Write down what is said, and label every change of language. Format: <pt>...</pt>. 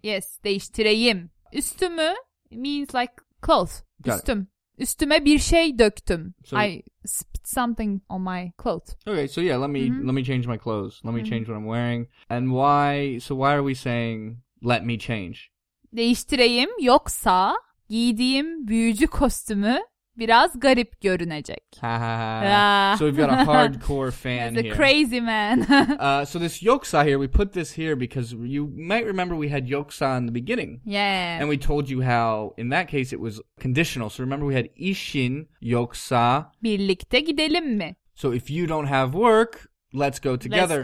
<en>Yes.</en> <tr>Değiştireyim.</tr> <en>Üstümü means like clothes. Got</en> <tr>üstüm.</tr> <en>It.</en> <tr>Üstüme bir şey döktüm.</tr> <en>So, I spit something on my clothes. Okay, so yeah, let me change my clothes. Let me change what I'm wearing. And why are we saying let me change?</en> <tr>Değiştireyim yoksa giydiğim büyücü kostümü biraz garip görünecek.</tr> <en>So we've got a hardcore fan He's here. A crazy man. So this yoksa here, we put this here because you might remember we had yoksa in the beginning. Yeah. And we told you how in that case it was conditional. So remember we had</en> <tr>işin yoksa. Birlikte gidelim mi?</tr> <en>So if you don't have work, let's go together.</en>